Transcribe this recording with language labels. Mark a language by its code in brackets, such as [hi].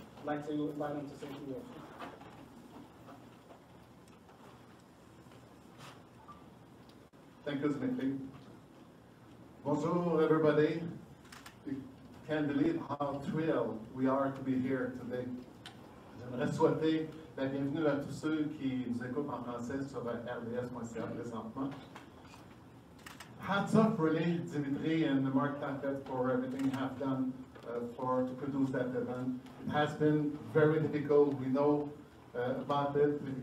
[en] I'd like to invite him to say a few words. Thank you, Dmitry. Bonjour, everybody. You can't believe how thrilled we are to be here today. [fr] J'aimerais souhaiter la bienvenue à tous ceux qui nous écoutent en français sur RDS.ca présentement. [en] Hats off, really, Dimitri and Mark Taffet for everything you have done to produce that event. It has been very difficult. We know about it.